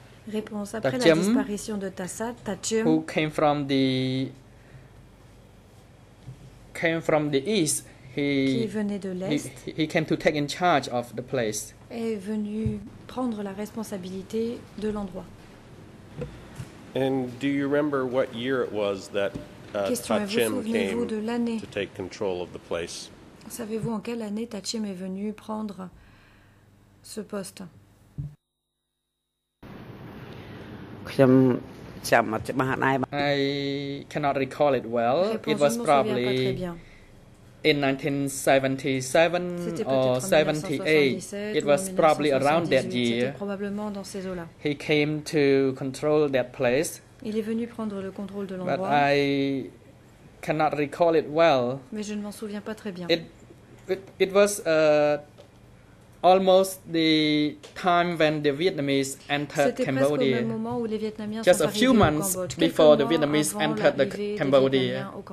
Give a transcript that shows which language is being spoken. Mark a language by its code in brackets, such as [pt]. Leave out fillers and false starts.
[fr] réponse, après Tachim, la disparition de Tassad, Tachim, [en] who came from the east, he came to take in charge of the place. [fr] Est venu prendre la responsabilité de l'endroit. [en] And do you remember what year it was that Tachim came to take control of the place? [fr] Savez-vous en quelle année Tachim est venu prendre ce poste? [en] I cannot recall it well. It was probably in 1977 or 78. It was probably around that year. [fr] Probablement dans ces eaux-là. [en] He came to control that place. [fr] Il est venu prendre le contrôle de l'endroit. [en] But I cannot recall it well. [fr] Mais je ne m'en souviens pas très bien. [en] It was almost the time when the Vietnamese entered Cambodia. Just a few months before the Vietnamese entered the Cambodia.